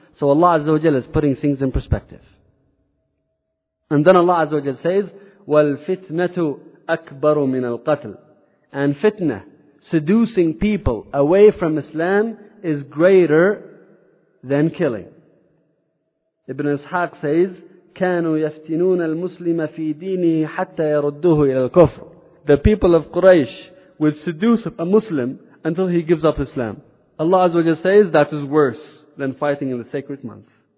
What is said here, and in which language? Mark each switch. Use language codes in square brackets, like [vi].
[en] So Allah Azza wa Jalla is putting things in perspective. And then Allah Azza wa Jalla says, [ar] وَالْفِتْنَةُ أَكْبَرُ مِنَ الْقَتْلِ. [en] And fitna, seducing people away from Islam, is greater than killing. [ar] Ibn Ishaq [en] says, [ar] كَانُوا يَفْتِنُونَ الْمُسْلِمَ فِي دِينِهِ حَتَّى يَرُدُّهُ إِلَى الْكُفْرِ. [en] The people of Quraysh would seduce a Muslim until he gives up Islam. Allah Azza wa Jalla says that is worse than fighting in the sacred month.